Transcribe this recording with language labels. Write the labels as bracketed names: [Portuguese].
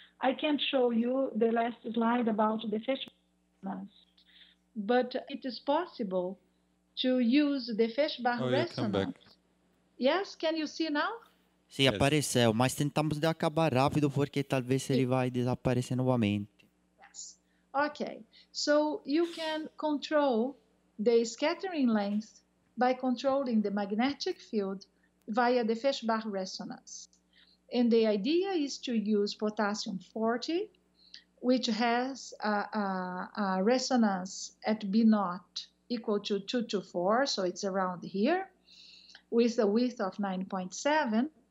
[English] I can't show you the last slide about the Feshbach, but it is possible to use the Feshbach resonance. Yes, can you see now? [Portuguese] Sim, apareceu, mas tentamos de acabar rápido porque talvez ele vai desaparecer novamente. [English] Yes. Okay. So you can control the scattering length by controlling the magnetic field via the Feshbach resonance. And the idea is to use potassium 40, which has a resonance at B naught equal to 224, so it's around here, with a width of 9.7.